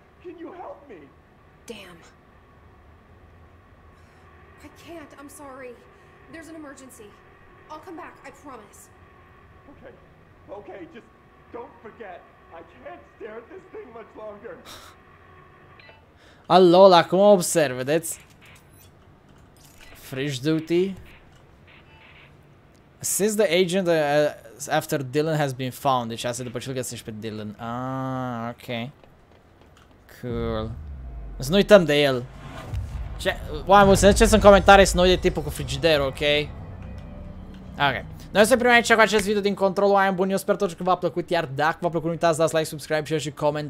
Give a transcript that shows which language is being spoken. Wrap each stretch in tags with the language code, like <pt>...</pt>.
<en>Can you help me? Damn. I can't, I'm sorry. There's an emergency. I'll come back, I promise. Okay, okay, just don't forget. I can't stare at this thing much longer.</en> <ro>Alola, cum observ, vedeți?</ro> <en>Fresh duty. Assist the agent after Dylan has been found.</en> <ro>Deci asta e după ce îl găsești pe Dylan. Ah, ok. Cool. Să nu uităm de el. Ce? Oameni buni, să ne ziceți în comentarii să nu uit de tipul cu frigiderul, ok? Ok. Noi suntem primi aici cu acest video din control, oameni buni. Eu sper tot că v-a plăcut, iar dacă v-a plăcut, nu uitați să dați like, subscribe, share și comment.</ro>